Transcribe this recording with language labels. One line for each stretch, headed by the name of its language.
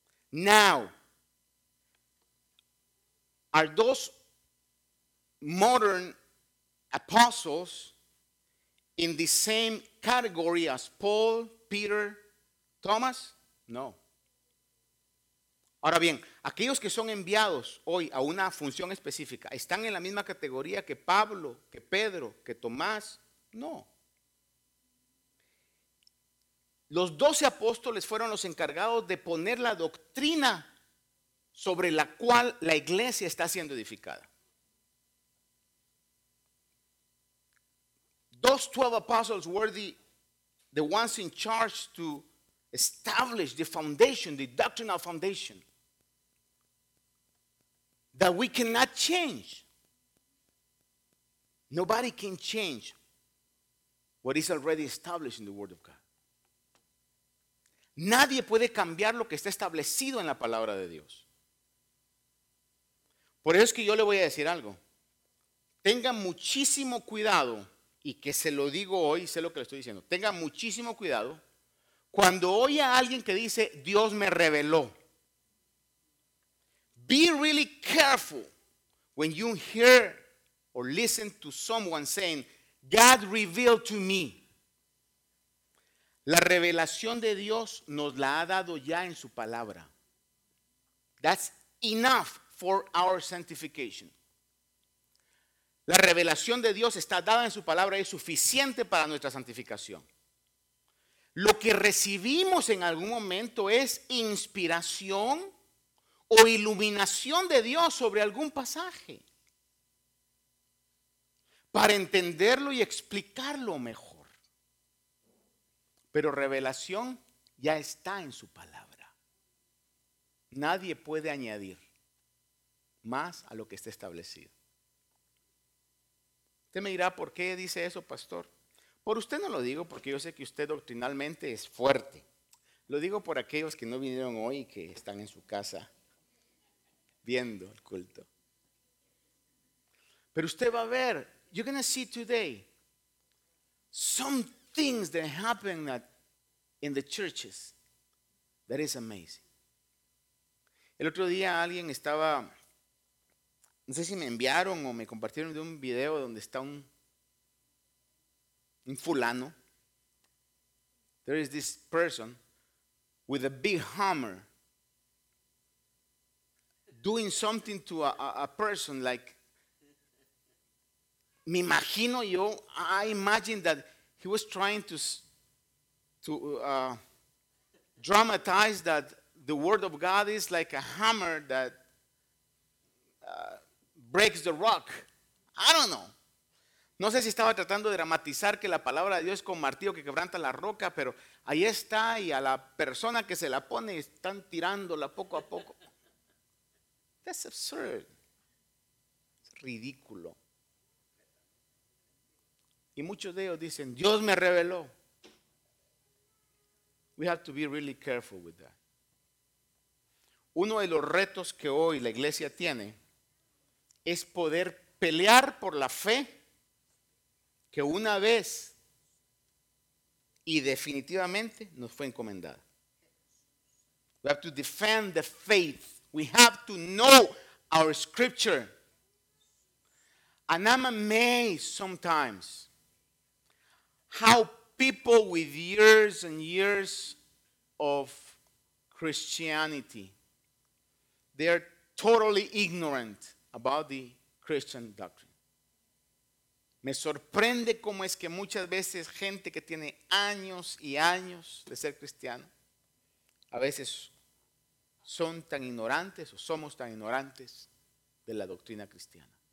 English: Now, are those modern apostles in the same category as Paul, Peter, Thomas? No.
Spanish: Ahora bien, aquellos que son enviados hoy a una función específica, ¿están en la misma categoría que Pablo, que Pedro, que Tomás? No. Los 12 apóstoles fueron los encargados de poner la doctrina sobre la cual la iglesia está siendo edificada.
English: Those 12 apostles were the ones in charge to establish the foundation, the doctrinal foundation that we cannot change. Nobody can change what is already established in the Word of God.
Spanish: Nadie puede cambiar lo que está establecido en la palabra de Dios. Por eso es que yo le voy a decir algo. Tenga muchísimo cuidado, y que se lo digo hoy, sé lo que le estoy diciendo. Tenga muchísimo cuidado cuando oye a alguien que dice, Dios me reveló.
English: Be really careful when you hear or listen to someone saying, God revealed to me.
Spanish: La revelación de Dios nos la ha dado ya en su palabra.
English: That's enough for our sanctification.
Spanish: La revelación de Dios está dada en su palabra y es suficiente para nuestra santificación. Lo que recibimos en algún momento es inspiración o iluminación de Dios sobre algún pasaje para entenderlo y explicarlo mejor. Pero revelación ya está en su palabra. Nadie puede añadir más a lo que está establecido. Usted me dirá, ¿por qué dice eso, pastor? Por usted no lo digo, porque yo sé que usted doctrinalmente es fuerte. Lo digo por aquellos que no vinieron hoy y que están en su casa viendo el culto. Pero usted va a ver,
English: you're going to see today some things that happen that in the churches, that is amazing.
Spanish: El otro día alguien estaba, no sé si me enviaron o me compartieron de un video donde está un fulano.
English: There is this person with a big hammer doing something to a person. Like,
Spanish: me imagino yo,
English: I imagine that he was trying to dramatize that the word of God is like a hammer that breaks the rock. I don't know.
Spanish: No sé si estaba tratando de dramatizar que la palabra de Dios es como martillo que quebranta la roca, pero ahí está, y a la persona que se la pone están tirándola poco a poco.
English: That's absurd.
Spanish: Es ridículo. Y muchos de ellos dicen, Dios me reveló.
English: We have to be really careful with that.
Spanish: Uno de los retos que hoy la iglesia tiene es poder pelear por la fe que una vez y definitivamente nos fue encomendada.
English: We have to defend the faith. We have to know our scripture. And I'm amazed sometimes how people with years and years of Christianity, they are totally ignorant about the Christian doctrine.
Spanish: Me sorprende cómo es que muchas veces gente que tiene años y años de ser cristiano, a veces son tan ignorantes o somos tan ignorantes de la doctrina cristiana.